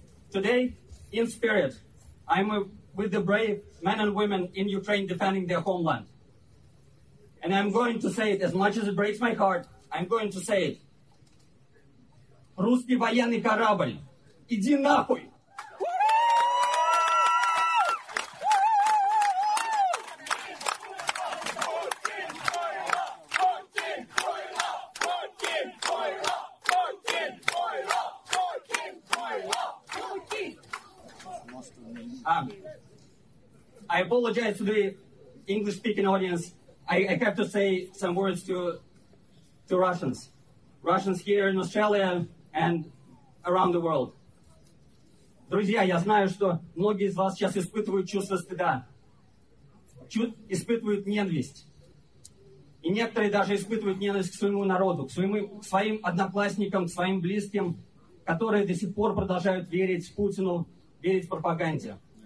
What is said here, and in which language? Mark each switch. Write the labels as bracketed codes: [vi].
[en] Today, in spirit, I'm with the brave men and women in Ukraine defending their homeland. And I'm going to say it, as much as it breaks my heart, I'm going to say it. [ru] Русский военный корабль, иди нахуй! [en] I apologize to the English-speaking audience. I have to say some words to Russians. Russians here in Australia and around the world. [ru] Друзья, я знаю, что многие из вас сейчас испытывают чувство стыда. Испытывают ненависть. И некоторые даже испытывают ненависть к своему народу, к своим одноклассникам, к своим близким, которые до сих пор продолжают верить Путину, верить в пропаганде.